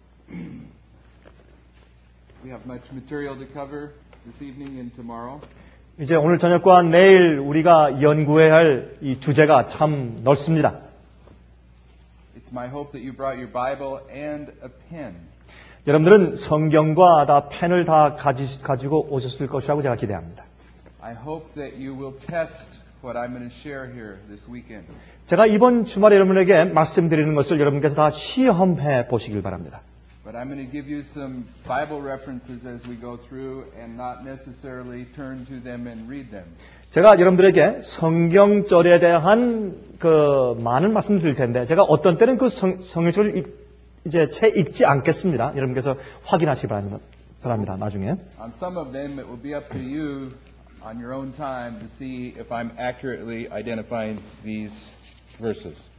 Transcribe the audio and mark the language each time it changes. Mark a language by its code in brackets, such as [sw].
[en] We have much material to cover this evening and tomorrow. [ko] 이제 오늘 저녁과 내일 우리가 연구해야 할 이 주제가 참 넓습니다. [en] It's my hope that you brought your Bible and a pen. [ko] 여러분들은 성경과 다 펜을 다 가지고 오셨을 것이라고 제가 기대합니다. [en] I hope that you will test what I'm going to share here this weekend. [ko] 제가 이번 주말에 여러분에게 말씀드리는 것을 여러분께서 다 시험해 보시길 바랍니다. [en] But I'm going to give you some Bible references as we go through and not necessarily turn to them and read them. [ko] 제가 여러분들에게 성경절에 대한 그 많은 말씀을 드릴 텐데 제가 어떤 때는 그 성경절을 이제 채 읽지 않겠습니다. 여러분께서 확인하시기 바랍니다. 나중에. [en] On some of them it will be up to you on your own time to see if I'm accurately identifying these verses.